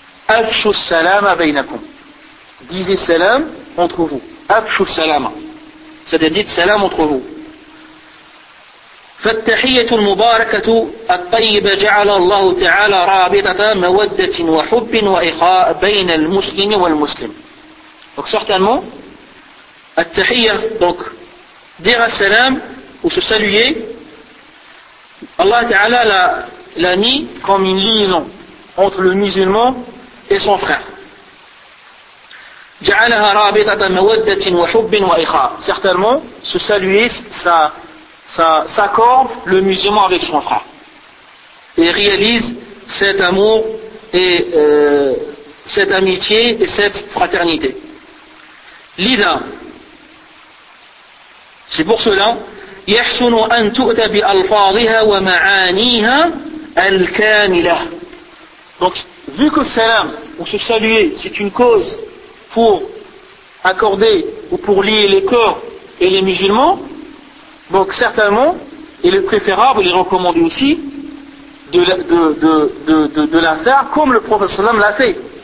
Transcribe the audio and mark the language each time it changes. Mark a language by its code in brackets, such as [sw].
[ar] أفشوا السلام بينكم [fr] disez salam entre vous [ar] أفشوا السلام [fr] c'est-à-dire dites salam entre vous [ar] فالتحية المباركة الطيبة جعل الله تعالى رابطة مودة وحب وإخاء بين المسلم والمسلم. [fr] Donc certainement, التحية, donc dire السلام ou se saluer, Allah Ta'ala l'a mis comme une liaison entre le musulman et son frère. [ar] جعلها رابطة مودة وحب وإخاء. [fr] Certainement, se saluer, ça s'accorde le musulman avec son frère et réalise cet amour et cette amitié et cette fraternité. [ar] Lida, [fr] c'est pour cela [ar] يحسن أن تؤتى بألفاظها ومعانيها الكاملة. [fr] Donc vu que salam ou se saluer c'est une cause pour accorder ou pour lier les cœurs et les musulmans, donc certainement, il est préférable, il est recommandé aussi, de la faire comme le prophète sallam l'a fait.